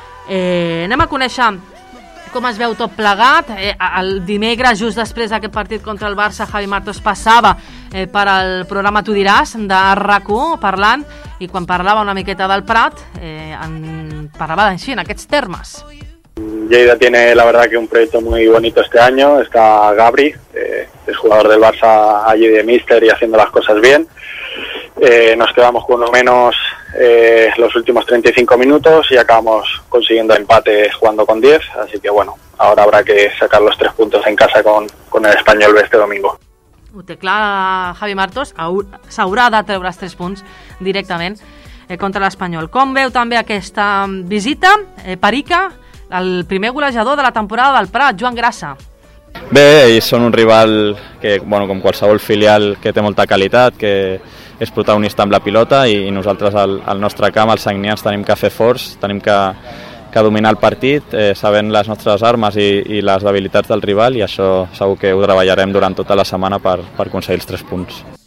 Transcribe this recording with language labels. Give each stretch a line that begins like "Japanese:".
Catalan: Anem a conèixer com es veu tot plegat. El dimecres, just després d'aquest partit contra el Barça, Javi Martos passava per al programa Tu diràs, de RAC1, parlant, i quan parlava una miqueta del Prat, parlava així, en aquests termes.
Spanish: Lleida tiene, la verdad, que un proyecto muy bonito este año. Está Gabri, es jugador del Barça allí de míster y haciendo las cosas bien. Nos quedamos con lo menos los últimos 35 minutos y acabamos consiguiendo empate jugando con 10. Así que bueno, ahora habrá que sacar los tres puntos en casa con el Espanyol este domingo.
Catalan: Ho té clar, Javi Martos, s'haurà de treure els tres punts directament contra l'Espanyol. Com veu també aquesta visita, Perica, el primer golejador de la temporada del Prat, Joan Grassa? Bé, ells són un rival que, bueno, com qualsevol filial, que té molta qualitat, que és protagonista amb la pilota, i nosaltres al nostre camp, els sagnians, tenim que fer forts, tenim que dominar el partit, sabent les nostres armes i les debilitats del rival, i això segur que ho treballarem durant tota la setmana per aconseguir els tres punts.